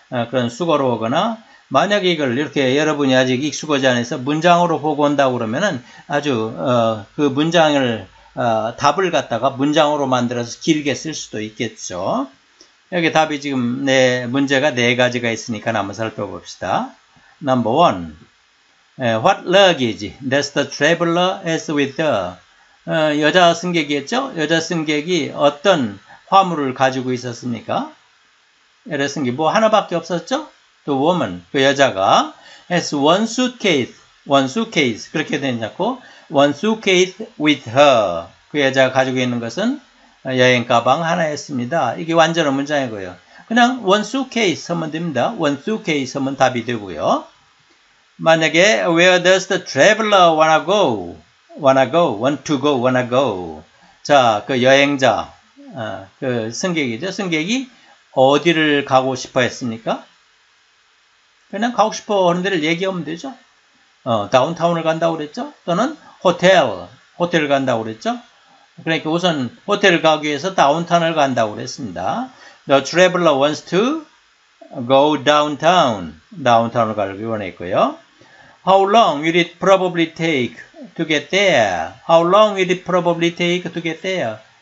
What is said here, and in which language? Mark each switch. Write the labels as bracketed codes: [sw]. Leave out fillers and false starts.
[ko] 그런 수거로 오거나 만약에 이걸 이렇게 여러분이 아직 익숙하지 않아서 문장으로 보고 온다고 그러면은 아주 그 문장을 답을 갖다가 문장으로 만들어서 길게 쓸 수도 있겠죠. 여기 답이 지금 네 문제가 네 가지가 있으니까 한번 살펴봅시다. [en] Number 1. What luggage does the traveler has with her? [ko] 여자 승객이었죠? 여자 승객이 어떤 화물을 가지고 있었습니까? 여자 승객, 뭐 하나밖에 없었죠? [en] The woman, [ko] 그 여자가 [en] has one suitcase, [ko] 그렇게 되어 있냐고, [en] one suitcase with her. [ko] 그 여자가 가지고 있는 것은 여행 가방 하나였습니다. 이게 완전한 문장이고요. 그냥 [en] one suitcase [ko] 하면 됩니다. one suitcase 하면 답이 되고요. 만약에 [en] where does the traveler wanna go? wanna go, want to go, wanna go. [ko] 자, 그 여행자, 그 승객이죠. 승객이 어디를 가고 싶어 했습니까? 그냥 가고 싶어 하는 데를 얘기하면 되죠. 다운타운을 간다고 그랬죠. 또는 호텔을 간다고 그랬죠. 그러니까 우선 호텔을 가기 위해서 다운타운을 간다고 그랬습니다. [en] The traveler wants to go downtown. [ko] 다운타운을 가기 원했고요. [en] How long will it probably take to get there? How long will it probably take to get there?